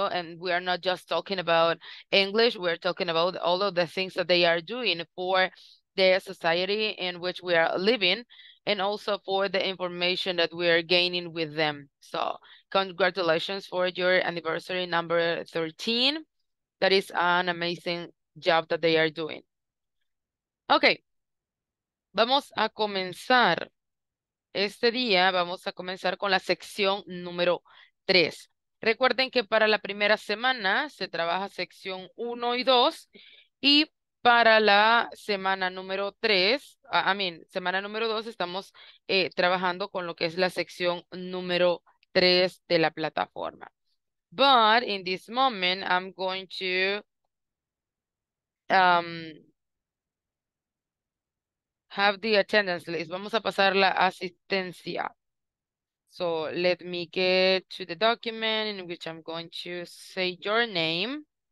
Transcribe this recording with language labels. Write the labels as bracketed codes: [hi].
[en] And we are not just talking about English, we're talking about all of the things that they are doing for the society in which we are living, and also for the information that we are gaining with them. So congratulations for your anniversary number 13. That is an amazing job that they are doing. [es] Okay, vamos a comenzar. Este día vamos a comenzar con la sección número 3. Recuerden que para la primera semana se trabaja sección 1 y 2, y para la semana número 3, semana número 2, estamos trabajando con lo que es la sección número 3 de la plataforma. [en] But in this moment, I'm going to have the attendance list. [es] Vamos a pasar la asistencia. [en] So let me get to the document in which I'm going to say your name.